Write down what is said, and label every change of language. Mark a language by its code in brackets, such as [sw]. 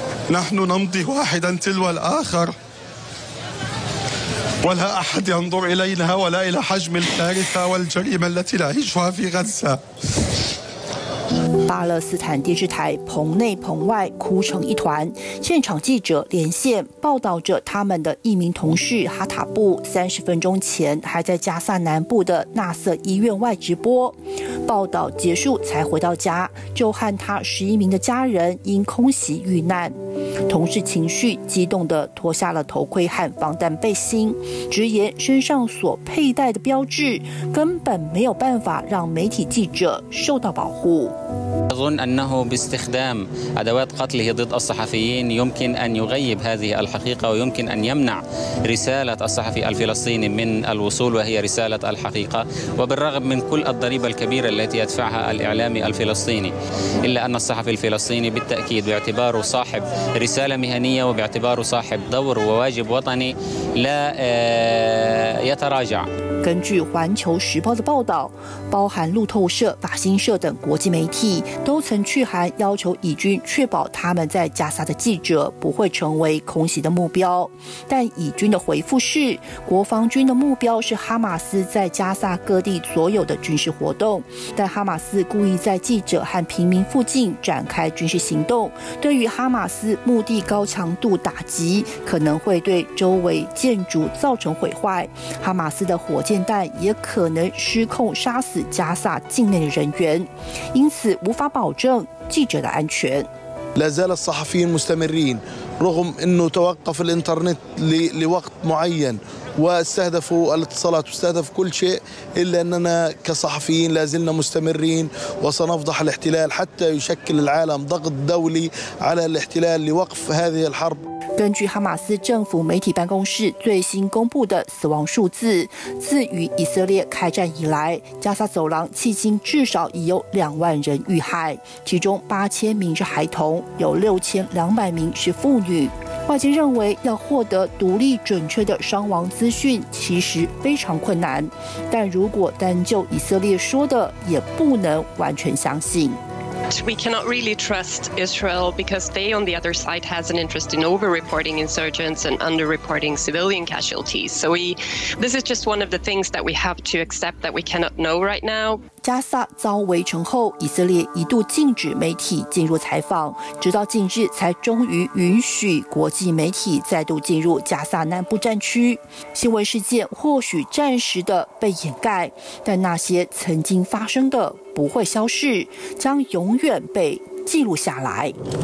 [ar] نحن نمضي واحدا تلو الآخر ولا أحد ينظر إلينا ولا إلى حجم الكارثة والجريمة التي نعيشها في غزة [zh] 巴勒斯坦电视台棚内棚外哭成一团，现场记者连线报道着他们的一名同事哈塔布30分钟前还在加萨南部的纳瑟医院外直播，报道结束才回到家，就和他11名的家人因空袭遇难。同事情绪激动地脱下了头盔和防弹背心，直言身上所佩戴的标志根本没有办法让媒体记者受到保护。 [ar] أظن أنه باستخدام أدوات قتله ضد الصحفيين يمكن أن يغيب هذه الحقيقة ويمكن أن يمنع رسالة الصحفي الفلسطيني من الوصول وهي رسالة الحقيقة وبالرغم من كل الضريبة الكبيرة التي يدفعها الإعلام الفلسطيني إلا أن الصحفي الفلسطيني بالتأكيد باعتباره صاحب رسالة مهنية وباعتباره صاحب دور وواجب وطني لا يتراجع [zh] 根据《环球时报》的报道，包含路透社、法新社等国际媒体都曾去函要求以军确保他们在加沙的记者不会成为空袭的目标，但以军的回复是，国防军的目标是哈马斯在加沙各地所有的军事活动，但哈马斯故意在记者和平民附近展开军事行动，对于哈马斯目的高强度打击，可能会对周围建筑造成毁坏，哈马斯的火箭弹也可能失控杀死加萨境内的人员，因此无法保证记者的安全。 [ar] لازال الصحفيين مستمرين رغم انه توقف الانترنت لوقت معين واستهدفوا الاتصالات واستهدف كل شيء الا اننا كصحفيين لازلنا مستمرين وسنفضح الاحتلال حتى يشكل العالم ضغط دولي على الاحتلال لوقف هذه الحرب。 [zh] 根据哈马斯政府媒体办公室最新公布的死亡数字，自与以色列开战以来，加沙走廊迄今至少已有20,000人遇害，其中8,000名是孩童，有6,200名是妇女。外界认为，要获得独立准确的伤亡资讯其实非常困难，但如果单就以色列说的，也不能完全相信。 [en] We cannot really trust Israel because they, on the other side, has an interest in over-reporting insurgents and under-reporting civilian casualties. So this is just one of the things that we have to accept that we cannot know right now. [zh] 加萨遭围城后，以色列一度禁止媒体进入采访，直到近日才终于允许国际媒体再度进入加萨南部战区。新闻事件或许暂时的被掩盖，但那些曾经发生的不会消失，将永远被记录下来。